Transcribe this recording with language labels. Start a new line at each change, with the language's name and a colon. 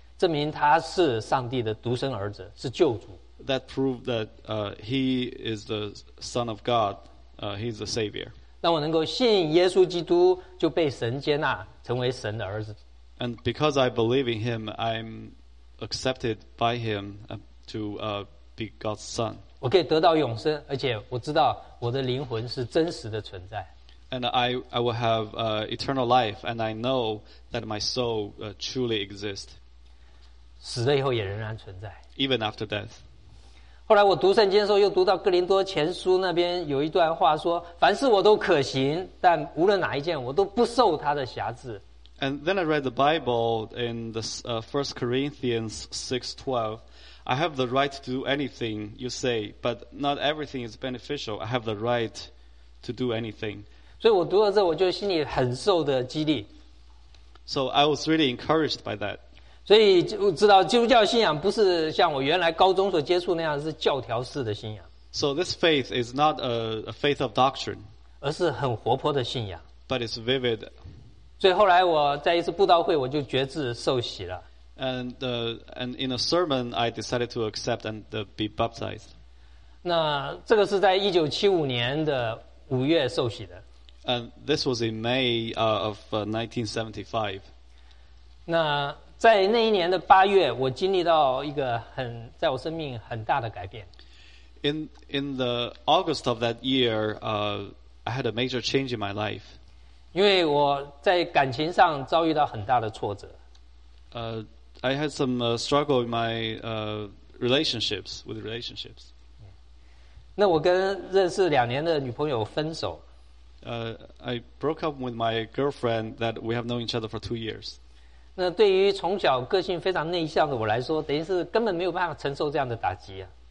Chinese: 证明他是上帝的独生儿子，是救主。
English: That proved that he is the Son of God. He is the Savior.
Chinese: 让我能够信耶稣基督，就被神接纳，成为神的儿子。
English: And because I believe in him, I'm accepted by him to be God's son.
Chinese: 我可以得到永生，而且我知道我的灵魂是真实的存在。
English: And I will have eternal life, and I know that my soul truly exists.
Chinese: 死了以后也仍然存在。
English: Even after death.
Chinese: 后来我读圣经的时候，又读到哥林多前书那边有一段话说：“凡事我都可行，但无论哪一件，我都不受他的辖制。”
English: And then I read the Bible in the First Corinthians 6:12. I have the right to do anything you say, but not everything is beneficial. I have the right to do anything.
Chinese: 所以我读了这，我就心里很受的激励。
English: So I was really encouraged by that.
Chinese: 所以我知道基督教信仰不是像我原来高中所接触那样是教条式的信仰。
English: So this faith is not a faith of doctrine.
Chinese: 而是很活泼的信仰。
English: But it's vivid.
Chinese: 所以后来我在一次布道会，我就决志受洗了。
English: And in a sermon, I decided to accept and be baptized.
Chinese: 那这个是在1975年的五月受洗的。
English: And this was in May of 1975.
Chinese: 那在那一年的八月，我经历到一个很在我生命很大的改变。
English: In the August of that year, I had a major change in my life.
Chinese: 因为我在感情上遭遇到很大的挫折。
English: I had some struggle in my relationships.
Chinese: 那我跟认识两年的女朋友分手。
English: I broke up with my girlfriend that we have known each other for 2 years.
Chinese: 那对于从小个性非常内向的我来说，等于是根本没有办法承受这样的打击啊。